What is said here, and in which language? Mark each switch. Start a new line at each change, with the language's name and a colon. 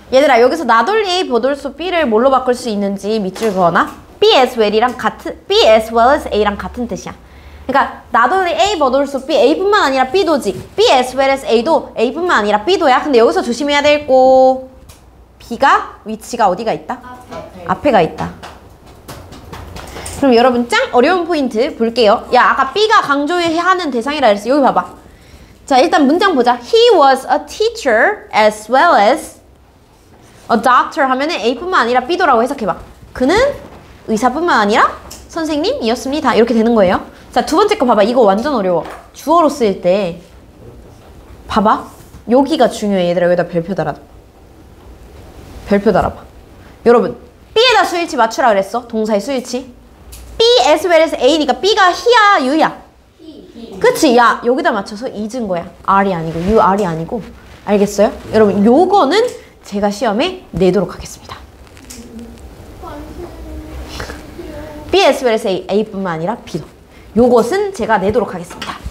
Korean: 얘들아 여기서 나돌리 보돌수 B를 뭘로 바꿀 수 있는지 밑줄 그어놔. B as well 이랑 같은
English: B as well as A
Korean: 랑 같은 뜻이야. 그러니까
English: not only A but also B.
Korean: A뿐만 아니라 B도지.
English: B as well as A도
Korean: A뿐만 아니라 B도야. 근데 여기서 조심해야 될 거 B가 위치가 어디가 있다? 앞에. 앞에가 있다. 그럼 여러분 짱 어려운 포인트 볼게요. 야 아까 B가 강조해야 하는 대상이라 그랬어. 여기 봐봐. 자 일단 문장 보자.
English: He was a teacher as well as a doctor
Korean: 하면은 A뿐만 아니라 B도라고 해석해봐. 그는 의사뿐만 아니라 선생님이었습니다. 이렇게 되는 거예요. 자, 두 번째 거 봐봐. 이거 완전 어려워. 주어로 쓰일 때 봐봐. 여기가 중요해. 얘들아 여기다 별표 달아봐. 별표 달아봐. 여러분 B에다 수일치 맞추라 그랬어. 동사의 수일치. B as well as A니까 B가 he야 you야. 그치? 야 여기다 맞춰서 is인 거야. R이 아니고 you R이 아니고. 알겠어요? 여러분 요거는 제가 시험에 내도록 하겠습니다.
English: B as well as A.
Korean: A뿐만 아니라 B도. 요것은 제가 내도록 하겠습니다.